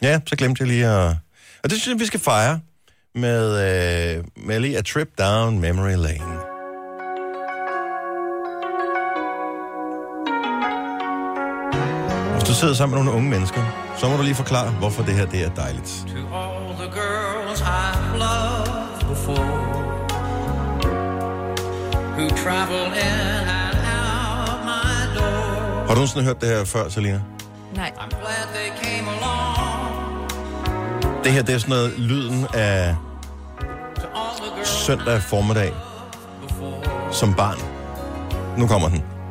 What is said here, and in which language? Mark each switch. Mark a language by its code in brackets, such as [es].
[da] Ja, så glemte jeg lige at... Og det synes jeg, vi skal fejre med, med lige [en] A Trip Down Memory Lane. [da] Hvis du sidder sammen med nogle unge mennesker, så må du lige forklare, hvorfor det her, det er dejligt. [en] To all the girls I've loved before, who travel in and out my door. [da] Har du nogensinde hørt det her før, Selina? Nej. [en] I'm glad they came along. [da] Det her, det er sådan noget lyden af søndag formiddag som barn. Nu kommer den.